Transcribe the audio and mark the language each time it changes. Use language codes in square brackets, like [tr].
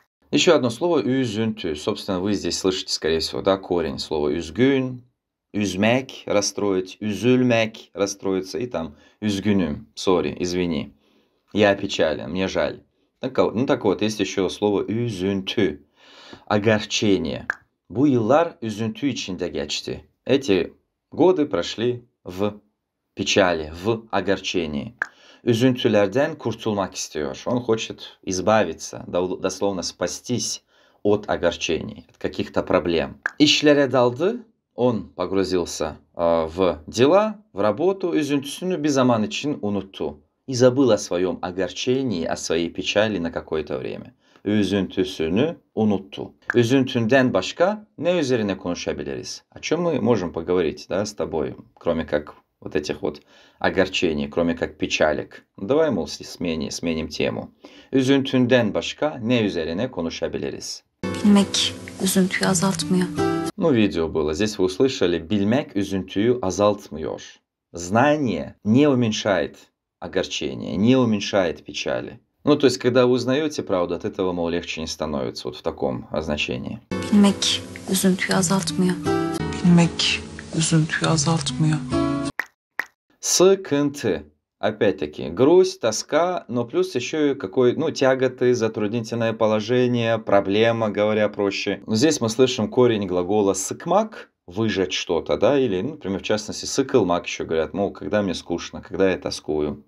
[ru] Еще одно слово «üzüntü». Собственно, вы здесь слышите, скорее всего, да, корень слова «üzgün». Üzmek – расстроить, üzülmek – расстроиться, и там üzgünüm – sorry, извини. Я опечален, мне жаль. Так, ну так вот, есть еще слово üzüntü – огорчение. [tr] Bu yıllar üzüntü içinde geçti. [ru] Эти годы прошли в печали, в огорчении. [tr] Üzüntülerden kurtulmak istiyor. [ru] Он хочет избавиться, дословно спастись от огорчений, от каких-то проблем. [tr] İşlere daldı. [ru] Он погрузился в дела, в работу, [tr] üzüntüsünü bir zaman için unuttu. [ru] И забыл о своем огорчении, о своей печали на какое-то время. [tr] Üzüntüsünü unuttu. Üzüntünden başka ne üzerine konuşabiliriz? [ru] О чем мы можем поговорить, да, с тобой, кроме как вот этих вот огорчений, кроме как печалек? Давай, мол, сменим тему. [tr] Üzüntünden başka ne üzerine konuşabiliriz? Bilmek üzüntüyü azaltmıyor. [ru] Ну, видео было. Здесь вы услышали [tr] «Bilmek üzüntüyü azaltmıyor». [ru] Знание не уменьшает огорчение, не уменьшает печали. Ну, то есть, когда вы узнаете правду, от этого, мол, легче не становится вот в таком значении. [tr] «Bilmek üzüntüyü azaltmıyor». «Bilmek üzüntüyü azaltmıyor». «Sıkıntı». [ru] Опять-таки, грусть, тоска, но плюс еще и какой, ну, тяготы, затруднительное положение, проблема, говоря проще. Здесь мы слышим корень глагола «сыкмак» – выжать что-то, да, или, например, в частности, «сыкылмак» еще говорят, мол, когда мне скучно, когда я тоскую.